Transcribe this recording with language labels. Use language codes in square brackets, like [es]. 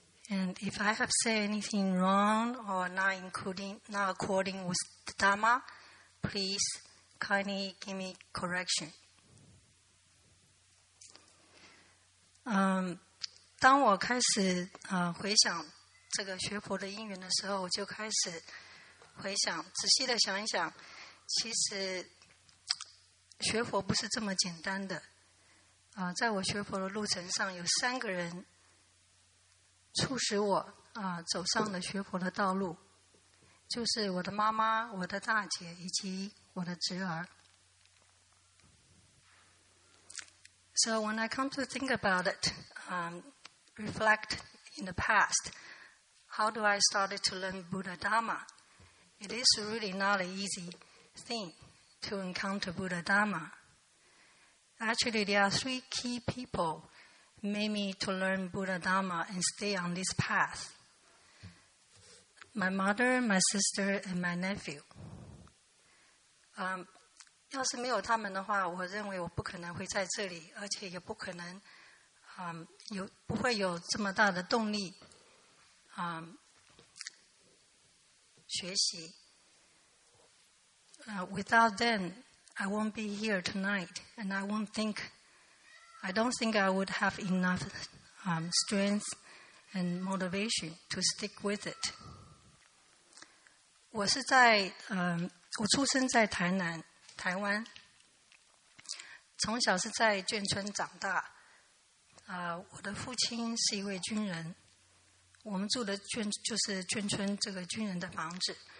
[en] And if I have said anything wrong or not according with the Dharma, please kindly give me correction. [zh] 当我开始回想这个学佛的因缘的时候，我就开始回想，仔细的想一想，其实学佛不是这么简单的。在我学佛的路程上，有三个人促使我走上了学佛的道路，就是我的妈妈、我的大姐以及我的侄儿。 [en] So when I come to think about it, reflect in the past, how do I started to learn Buddha Dharma? It is really not an easy thing to encounter Buddha Dharma. Actually, there are three key people. Made me to learn Buddha Dharma and stay on this path. My mother, my sister, and my nephew. [zh] 要是没有他们的话，我认为我不可能会在这里，而且也不可能，不会有这么大的动力，学习。 [en] Without them, I won't be here tonight, and I don't think I would have enough strength and motivation to stick with it. [zh] 我是在我出生在台南，台湾。从小是在眷村长大。我的父亲是一位军人。我们住的眷村这个军人的房子。